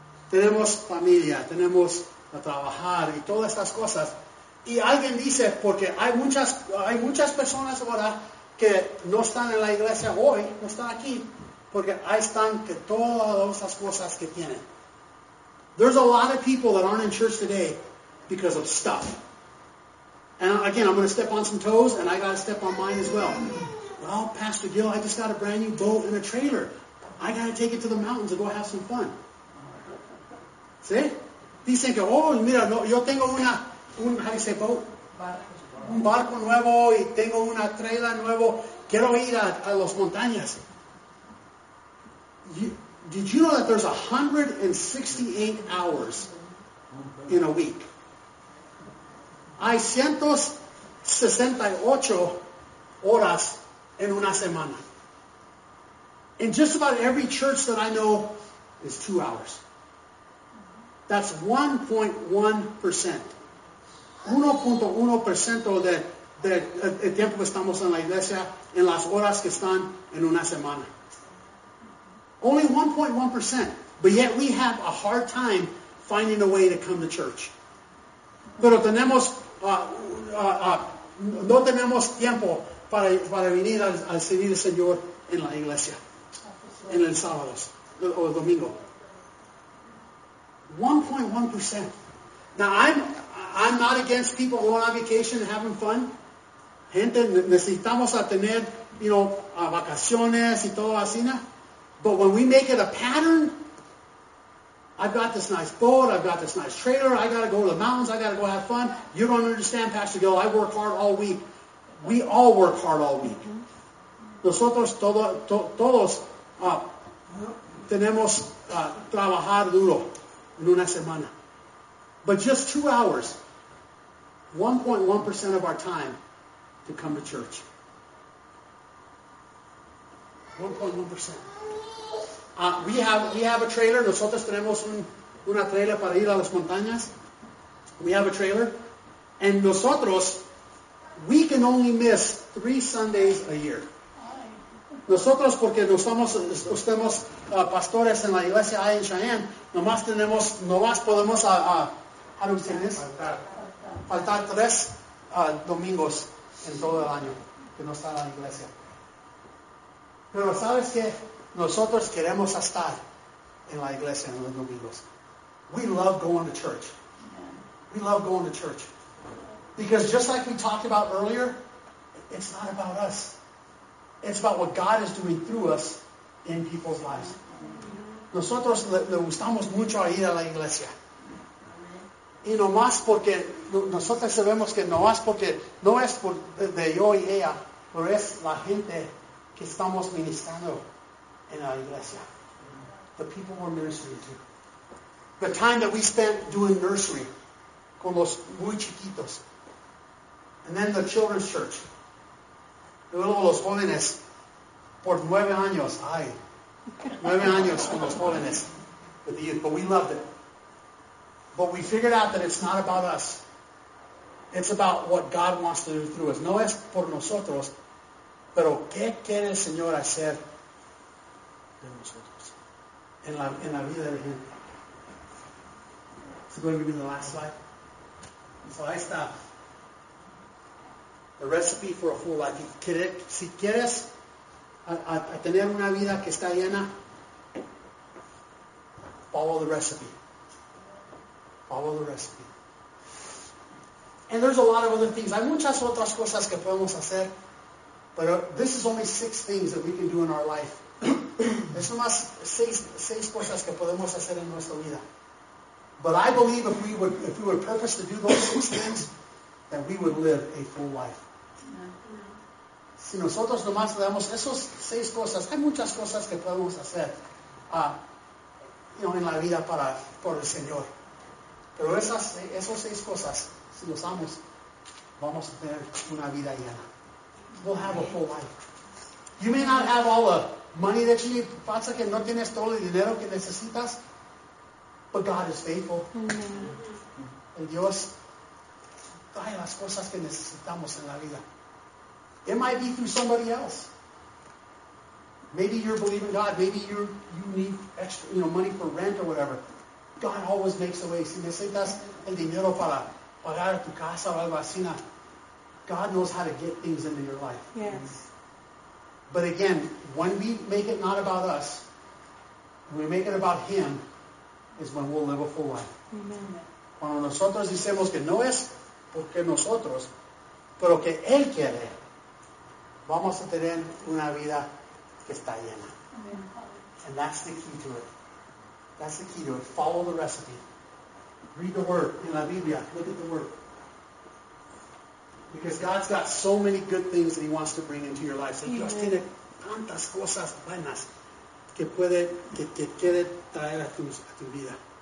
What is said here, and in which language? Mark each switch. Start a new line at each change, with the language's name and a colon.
Spanish: Tenemos familia, tenemos a trabajar y todas estas cosas. Y alguien dice, porque hay muchas personas ahora que no están en la iglesia hoy, no están aquí, porque ahí están que todas esas cosas que tienen.
English: There's a lot of people that aren't in church today because of stuff. And again, I'm going to step on some toes, and I got to step on mine as well. Well, Pastor Gil, I just got a brand new boat and a trailer. I got to take it to the mountains and go have some fun. See?
Spanish: Dicen que, oh, mira, yo tengo
English: how do you say boat?
Spanish: Un barco nuevo y tengo una trailer nuevo. Quiero ir a las montañas.
English: Did you know that there's 168 hours in a week?
Spanish: Hay 168 horas en una semana.
English: And just about every church that I know is 2 hours. That's 1.1%.
Spanish: 1.1% del tiempo que estamos en la iglesia, en las horas que están en una semana.
English: Only 1.1%. But yet we have a hard time finding a way to come to church.
Spanish: Pero tenemos, no tenemos tiempo para venir al servir al Señor en la iglesia. En el sábado o el domingo. 1.1%.
English: Now, I'm not against people going on vacation and having fun.
Spanish: Gente, necesitamos a tener,
English: you know,
Spanish: vacaciones y todo así, ¿no?
English: But when we make it a pattern, I've got this nice boat, I've got this nice trailer, I got to go to the mountains, I got to go have fun. You don't understand, Pastor Gil, I work hard all week. We all work hard all week.
Spanish: Nosotros todos tenemos trabajar duro en una semana.
English: But just 2 hours, 1.1% of our time to come to church. 1.1%. We have a trailer.
Spanish: Nosotros tenemos una trailer para ir a las montañas.
English: We have a trailer. And
Spanish: nosotros,
English: we can only miss 3 Sundays a year.
Spanish: Nosotros, porque estamos pastores en la iglesia ahí en Cheyenne, faltar 3 domingos en todo el año que no está en la iglesia. Pero ¿sabes qué? Nosotros queremos estar en la iglesia en los domingos.
English: We love going to church. We love going to church. Because just like we talked about earlier, it's not about us. It's about what God is doing through us in people's lives.
Spanish: Nosotros le gustamos mucho a ir a la iglesia. Y no más porque nosotros sabemos que no más porque no es por de yo y ella, pero es la gente que estamos ministrando en la iglesia.
English: The people we're ministering to. The time that we spent doing nursery
Spanish: con los muy chiquitos.
English: And then the children's church.
Spanish: Y luego los jóvenes por 9 años. Ay, 9 años con los jóvenes.
English: But we loved it. But we figured out that it's not about us. It's about what God wants to do through us.
Spanish: No es por nosotros, pero ¿qué quiere el Señor hacer de nosotros? En la vida de gente.
English: So go ahead and give me the last slide.
Spanish: So ahí está.
English: The recipe for a full life.
Spanish: Si quieres a tener una vida que está llena,
English: follow the recipe. Follow the recipe. And there's a lot of other things.
Spanish: Hay muchas otras cosas que podemos hacer.
English: But this is only 6 things that we can do in our life.
Spanish: Es nomás 6 cosas que podemos hacer en nuestra vida.
English: But I believe if we would purpose to do those 6 things, then we would live a full life. No.
Spanish: Si nosotros nomás le damos esos 6 cosas, hay muchas cosas que podemos hacer en la vida por el Señor. Pero esos 6 cosas, si los damos, vamos a tener una vida llena.
English: We'll have a full life. You may not have all the money that you need. Pasa que no tienes todo el dinero que necesitas. But God is faithful. Amen.
Spanish: And Dios trae las cosas que necesitamos en la vida.
English: It might be through somebody else. Maybe you're believing God. Maybe you need extra, money for rent or whatever. God always makes a way.
Spanish: Si necesitas el dinero para pagar tu casa o algo así,
English: God knows how to get things into your life. Yes. But again, when we make it not about us, when we make it about Him, is when we'll live a full life. Amen.
Spanish: Cuando nosotros decimos que no es porque nosotros, pero que Él quiere, vamos a tener una vida que está llena.
English: Amen. And that's the key to it. That's the key to it. Follow the recipe. Read the Word in
Spanish: la Biblia.
English: Look at the Word. Because God's got so many good things that He wants to bring into your life.
Spanish: So Dios tiene tantas cosas buenas que puede, que quiere traer a tu vida.